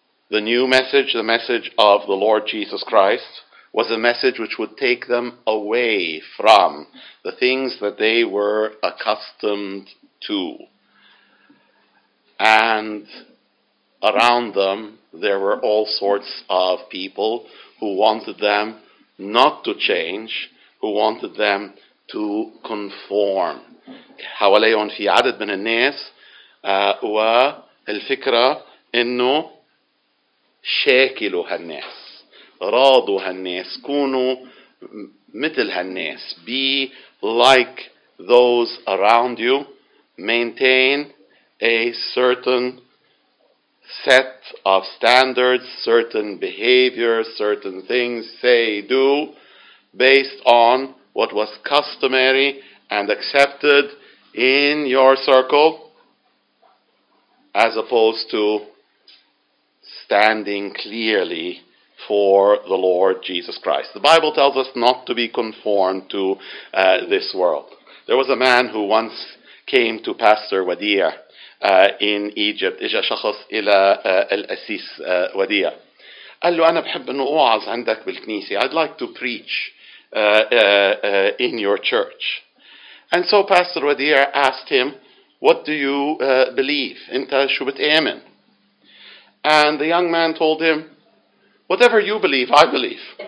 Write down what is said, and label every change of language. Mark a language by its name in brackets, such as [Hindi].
[English] The new message, the message of the Lord Jesus Christ, was a message which would take them away from the things that they were accustomed to. And around them, there were all sorts of people who wanted them not to change, who wanted them to conform. [Arabic] حواليهم في عدد من الناس والفكرة إنه شاكلوا هالناس راضوا هالناس كونوا مثل هالناس. [English] Be like those around you. Maintain a certain set of standards, certain behavior, certain things, say, do, based on what was customary and accepted in your circle, as opposed to standing clearly for the Lord Jesus Christ. The Bible tells us not to be conformed to this world. There was a man who once came to Pastor Wadir in Egypt. [Arabic] إجا شخص إلى الأسيس وديع. قال له أنا بحب أن أوعظ عندك بالكنيسة. [English] I'd like to preach in your church. And so Pastor وديع asked him, what do you believe? [Arabic] أنت شو بتآمن? [English] And the young man told him, whatever you believe, I believe.